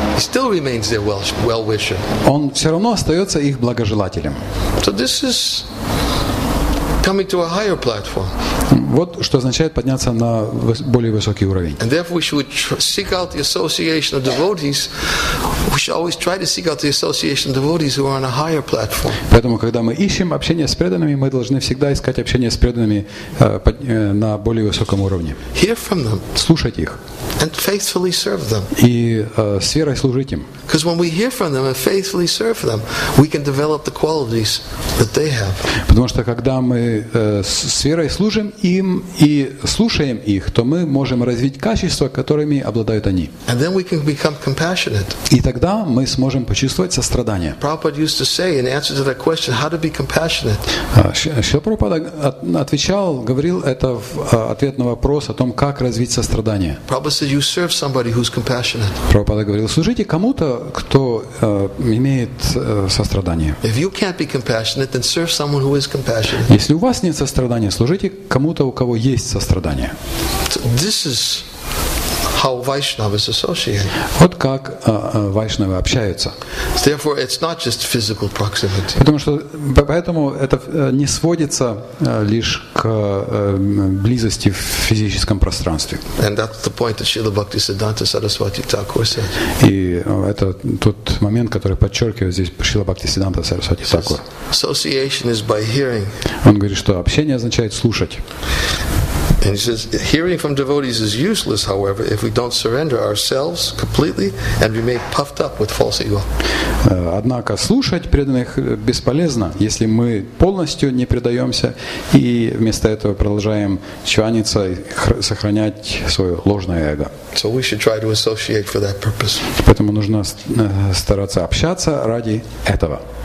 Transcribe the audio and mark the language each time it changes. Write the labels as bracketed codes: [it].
[en] He still remains their well-wisher. [ru] Он все равно остается их благожелателем. [en] So this is coming to a higher platform. [ru] Вот что означает подняться на более высокий уровень. [en] And therefore, we should seek out the association of devotees. We should always try to seek out the association of devotees who are on a higher platform. [ru] Поэтому, когда мы ищем общение с преданными, мы должны всегда искать общение с преданными на более высоком уровне. [en] Hear from them. [ru] Слушать их. [en] And faithfully serve them. [ru] И с верой служить им. [en] Because when we hear from them and faithfully serve them, we can develop the qualities that they have. [ru] Потому что когда мы с верой служим им и слушаем их, то мы можем развить качества, которыми обладают они. [en] And then we can become compassionate. [ru] И тогда мы сможем почувствовать сострадание. [en] Prabhupada used to say in answer to that question, how to be compassionate. [ru] Шрила Прабхупада отвечал, говорил это в ответ на вопрос о том, как развить сострадание. [en] Prabhupada said, you serve somebody who's compassionate. [ru] Прабхупада говорил, служите кому-то, кто имеет сострадание. [en] If you can't be compassionate, then serve someone who is compassionate. [ru] Если у вас нет сострадания, служите кому-то, у кого есть сострадание. [en] This is how Vaishnavas associate. [ru] Вот как вайшнавы общаются. [en] Therefore, it's not just physical proximity. [ru] Поэтому это не сводится лишь к близости в физическом пространстве. [en] And that's the point that Śrīla Bhaktisiddhānta Saraswati Thakur said. [ru] И это тот момент, который подчеркивает здесь Śrīla Bhaktisiddhānta Saraswati Thakur. [en] Association is by hearing. [ru] Он говорит, что общение означает слушать. [en] And he says, hearing from devotees is useless, however, if we don't surrender ourselves completely and remain puffed up with false ego. [ru] Однако слушать преданных бесполезно, если мы полностью не предаемся и вместо этого продолжаем чваниться и сохранять свое ложное эго. [en] So we should try to associate for that purpose. [ru] Поэтому нужно стараться общаться ради этого.